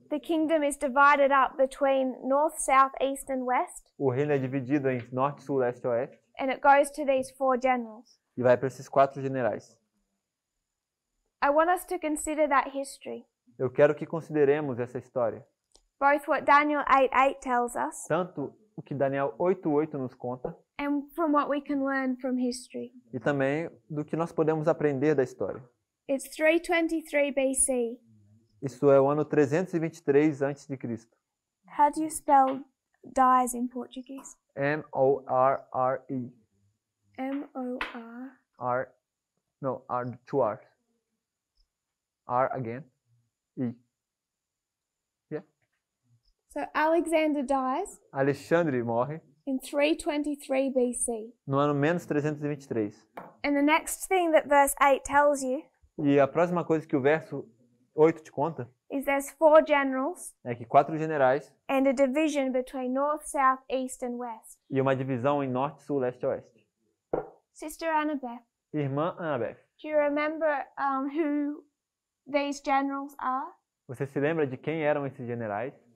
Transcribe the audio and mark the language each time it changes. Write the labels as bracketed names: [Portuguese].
[English] The kingdom is divided up between north, south, east and west. [Portuguese] O reino é dividido em norte, sul, leste e oeste. [English] And it goes to these four generals. [Portuguese] E vai para esses quatro generais. [English] I want us to consider that history. [Portuguese] Eu quero que consideremos essa história. [English] Both what Daniel 8:8 tells us. [Portuguese] Tanto o que Daniel 8:8 nos conta. [English] And from what we can learn from history. [Portuguese] E também do que nós podemos aprender da história. [English] It's 323 BC. [Portuguese] Isso é o ano 323 antes de Cristo. [English] How do you spell dies in Portuguese? [Portuguese] M-O-R-R-E. M-O-R. [English] R. No, R, two R's. R again. E. Yeah. So Alexander dies. [Portuguese] Alexandre morre. [English] In 323 BC. [Portuguese] No ano menos 323. [English] And the next thing that verse 8 tells you. [Portuguese] E a próxima coisa que o verso 8 te conta? [English] Is there's four generals? [Portuguese] É que quatro generais. [English] And a division between north, south, east and west. [Portuguese] E uma divisão em norte, sul, leste e oeste. [English] Sister Annabeth. [Portuguese] Irmã Annabeth. [English] Do you remember who these generals are? [Portuguese] Você se lembra de quem eram esses generais?